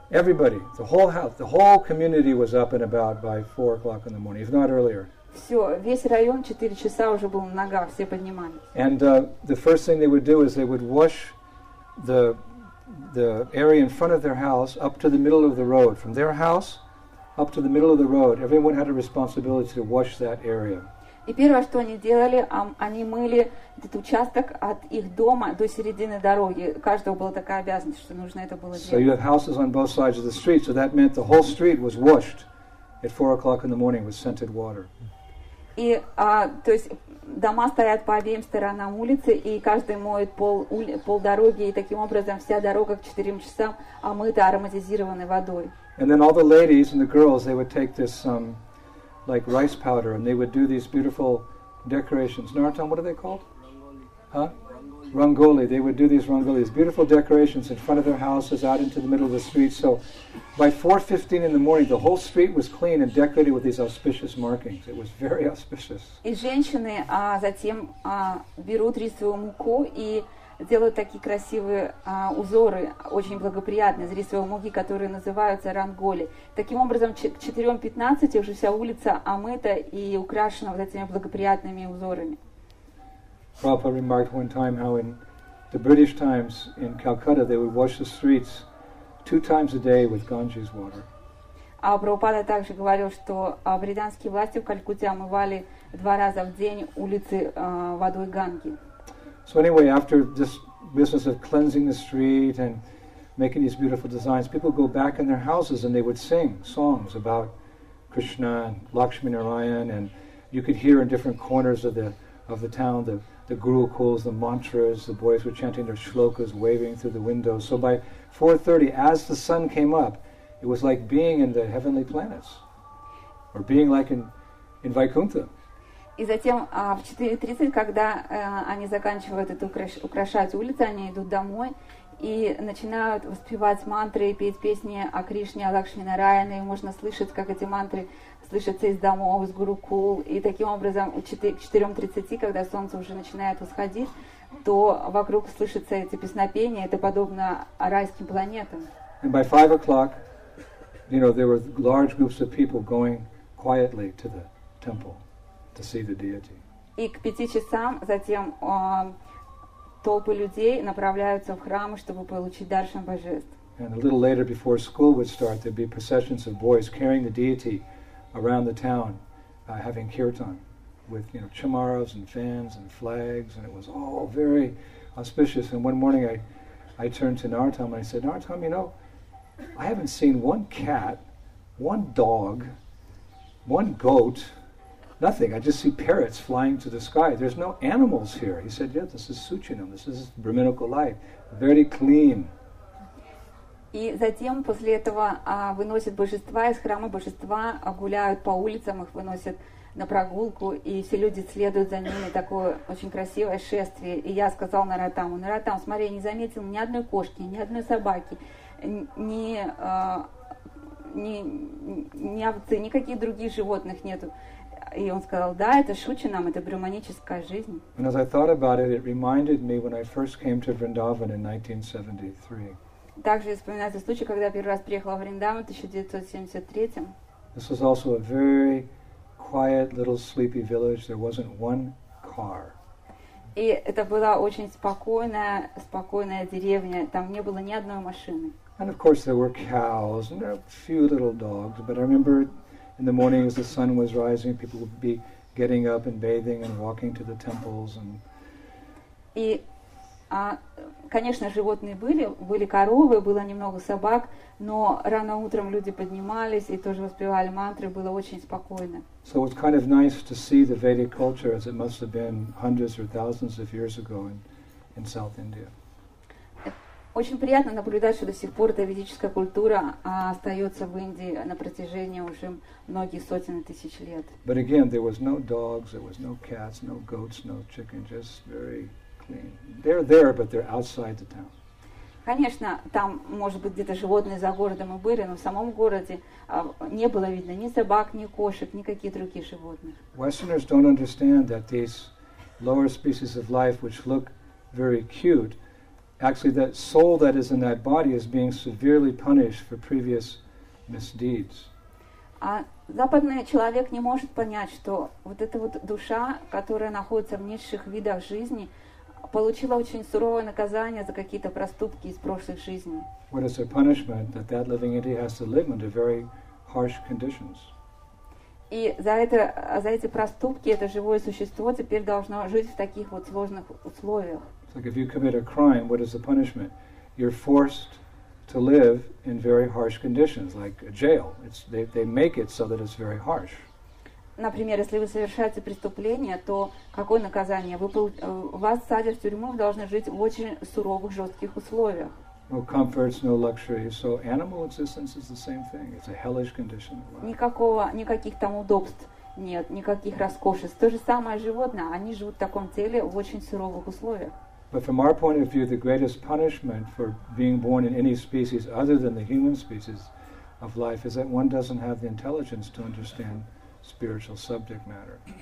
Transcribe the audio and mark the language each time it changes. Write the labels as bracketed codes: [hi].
[en] Everybody, the whole house, the whole community was up and about by 4 o'clock in the morning, if not earlier. [ru] Все, весь район 4 часа уже был на ногах, все поднимались. [en] And the first thing they would do is they would wash the area in front of their house up to the middle of the road. From their house up to the middle of the road, everyone had a responsibility to wash that area. [ru] И первое, что они делали, они мыли этот участок от их дома до середины дороги. У каждого была такая обязанность, что нужно это было делать. [en] So you have houses on both sides of the street, so that meant the whole street was washed at 4 o'clock in the morning with scented water. [ru] И, то есть, дома стоят по обеим сторонам улицы, и каждый моет пол дороги, и таким образом вся дорога к 4 часам омыта ароматизированной водой. [en] And then all the ladies and the girls, they would take this like rice powder, and they would do these beautiful decorations. Narottam, what are they called? Rangoli. Huh? Rangoli. They would do these rangoli, these beautiful decorations in front of their houses, out into the middle of the street. So by 4:15 in the morning, the whole street was clean and decorated with these auspicious markings. It was very auspicious. [ru] И женщины затем берут рисовую муку и делают такие красивые узоры, очень благоприятные, из рисовой муки, которые называются ранголи. Таким образом, к 4:15 уже вся улица омыта и украшена вот этими благоприятными узорами. [en] Prabhupada remarked one time how in the British times in Calcutta they would wash the streets 2 times a day with Ganges water. [ru] А Прабхупада также говорил, что британские власти в Калькутте омывали 2 раза в день улицы водой Ганги. [en] So anyway, after this business of cleansing the street and making these beautiful designs, people go back in their houses and they would sing songs about Krishna and Lakshmi Narayan, and you could hear in different corners of the town the gurukuls, the mantras, the boys were chanting their shlokas, waving through the windows. So by 4:30, as the sun came up, it was like being in the heavenly planets, or being like in Vaikuntha. [ru] И затем в 4:30, когда они заканчивают это украшать улицы, они идут домой и начинают воспевать мантры и петь песни о Кришне, о Лакшми Нараяне. И можно слышать, как эти мантры слышатся из домов, из гурукул. И таким образом к 4:30, когда солнце уже начинает восходить, то вокруг слышатся эти песнопения. Это подобно райским планетам. [en] And by 5 o'clock, you know, there were large groups of people going quietly to the temple to see the deity. [ru] И к пяти часам затем толпы людей направляются в храм, чтобы получить даршан божеств. [en] And a little later, before school would start, there'd be processions of boys carrying the deity around the town, having kirtan with, you know, chamaras and fans and flags, and it was all very auspicious. And one morning I turned to Narottam and I said, Narottam, you know, I haven't seen one cat, one dog, one goat, nothing. I just see parrots flying to the sky. There's no animals here. He said, yeah, this is Suchinam, this is brahminical life, very clean. [ru] И затем после этого выносят божества из храма, божества гуляют по улицам, их выносят на прогулку, и все люди следуют за ними, такое очень красивое шествие. И я сказал Нараттаму: Нараттам, смотри, я не заметил ни одной кошки, ни одной собаки, ни овцы, никаких других животных нету. И он сказал: да, это Шучинам, это брахманическая жизнь. [en] And as I thought about it, it reminded me when I first came to Vrindavan in 1973. [ru] Также вспоминается случай, когда я первый раз приехала в Вриндаван в 1973. [en] This was also a very quiet little sleepy village. There wasn't one car. [ru] И это была очень спокойная, спокойная деревня. Там не было ни одной машины. [en] And of course there were cows and there were a few little dogs. But I remember in the morning as the sun was rising, people would be getting up and bathing and walking to the temples and. [ru] И конечно, животные были коровы, было немного собак, но рано утром люди поднимались и тоже воспевали мантры, было очень спокойно. [en] So it's kind of nice to see the Vedic culture as it must have been hundreds or thousands of years ago in South India. [ru] Очень приятно наблюдать, что до сих пор эта ведическая культура остается в Индии на протяжении уже многих сотен тысяч лет. [en] But again, there was no dogs, there was no cats, no goats, no chicken, just very. They're there, but they're outside the town. [ru] Конечно, там может быть где-то животные за городом и были, но в самом городе не было видно ни собак, ни кошек, никаких других животных. [en] Westerners don't understand that these lower species of life, which look very cute, actually that soul that is in that body is being severely punished for previous misdeeds. [ru] Западный человек не может понять, что вот эта вот душа, которая находится в низших видах жизни, получила очень суровое наказание за какие-то проступки из прошлых жизней. [en] What is their punishment that that living entity has to live under very harsh conditions? [ru] И за эти проступки это живое существо теперь должно жить в таких вот сложных условиях. [en] So if you commit a crime, what is the punishment? You're forced to live in very harsh conditions, like a jail. It's they make it so that it's very harsh. [ru] Например, если вы совершаете преступление, то какое наказание? Вас садят в тюрьму, вы должны жить в очень суровых, жестких условиях. [en] No comforts, no luxuries. So animal existence is the same thing. It's a hellish condition. [ru] Никаких там удобств нет, никаких роскошеств. То же самое животное, они живут в таком теле в очень суровых условиях. [en] But from our point of view, the greatest punishment for being born in any species other than the human species of life is that one doesn't have the intelligence to understand spiritual subject matter.